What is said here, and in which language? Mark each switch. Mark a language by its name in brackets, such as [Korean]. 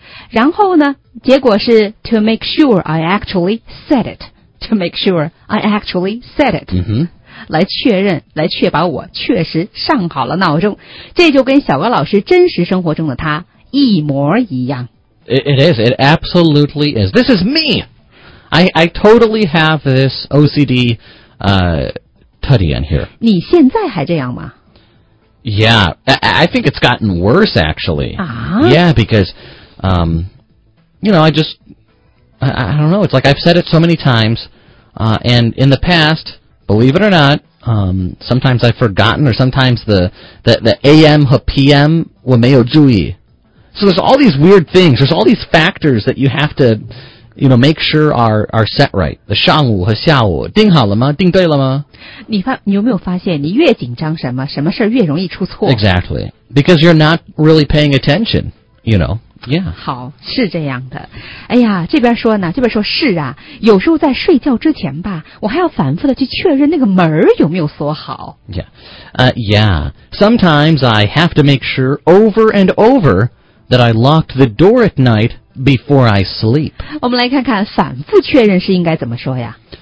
[Chinese] 然后呢，结果是 [English] to make sure I actually set it， to make sure I actually set it。 [Chinese] 嗯哼。来确认，来确保我确实上好了闹钟，这就跟小高老师真实生活中的他一模一样。 [English] It is. It absolutely is. This is me. I totally have this OCD, tutty in here. [Chinese] 你现在还这样吗 [English] ？Yeah, I think it's gotten worse actually. [Chinese] 啊 [English] ？Yeah, because, you know, I don't know. It's like I've said it so many times, and in the past. Believe it or not, sometimes I've forgotten, or sometimes the AM 和 PM [Chinese] 我没有注意. [English] So there's all these weird things, there's all these factors that you have to, you know, make sure are set right. [Chinese] The 上午和下午,定好了吗?定对了吗? 你有没有发现,你越紧张什么,什么事越容易出错? [English] Exactly. Because you're not really paying attention, you know. Yeah. [Chinese] 好，是这样的。哎呀，这边说呢，这边说是啊，有时候在睡觉之前吧，我还要反复的去确认那个门有没有锁好。 [English] Yeah. Yeah. Sometimes I have to make sure over and over that I locked the door at night before I sleep. [Chinese] 我们来看看反复确认是应该怎么说呀。